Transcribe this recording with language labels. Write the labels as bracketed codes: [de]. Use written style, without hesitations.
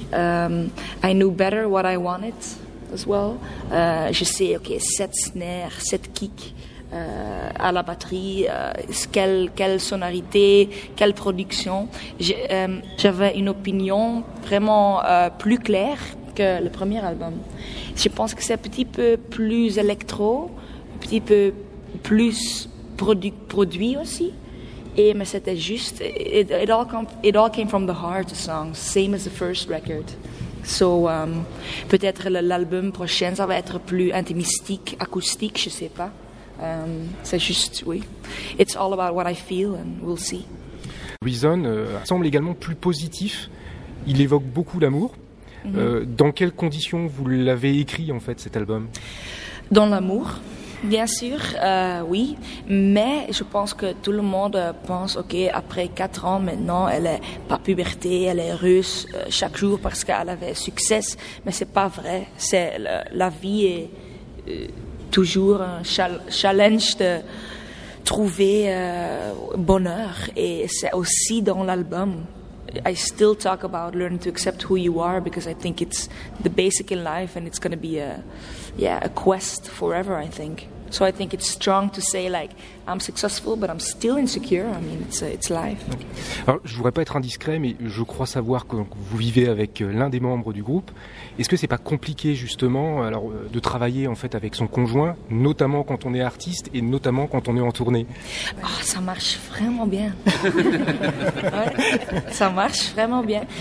[en] I knew better what I wanted as well. [fr] Je sais, ok, cette snare, cette kick à la batterie, quelle sonorité, quelle production. J'avais une opinion vraiment plus claire que le premier album. Je pense que c'est un petit peu plus électro, un petit peu plus produit aussi. Et mais c'était juste, [en] it all came from the heart, the song, same as the first record. [fr] So peut-être l'album prochain, ça va être plus intimistique, acoustique, je sais pas. C'est juste, oui, [en] it's all about what I feel and we'll see. [fr] Reason semble également plus positif, il évoque beaucoup l'amour. Mm-hmm. Dans quelles conditions vous l'avez écrit en fait cet album? Dans l'amour. Bien sûr, oui, mais je pense que tout le monde pense, ok, après 4 ans maintenant, elle est pas puberté, elle est russe chaque jour parce qu'elle avait succès, mais c'est pas vrai. C'est la vie est toujours un challenge de trouver bonheur et c'est aussi dans l'album. [en] I still talk about learning to accept who you are, because I think it's the basic in life, and it's going to be a quest forever, I think. So I think it's strong to say, like, I'm successful, but I'm still insecure. I mean, it's life. [fr] Alors, je ne voudrais pas être indiscret, mais je crois savoir que vous vivez avec l'un des membres du groupe. Est-ce que ce n'est pas compliqué, justement, alors, de travailler en fait, avec son conjoint, notamment quand on est artiste et notamment quand on est en tournée? Oh, ça marche vraiment bien. Ouais, ça marche vraiment bien.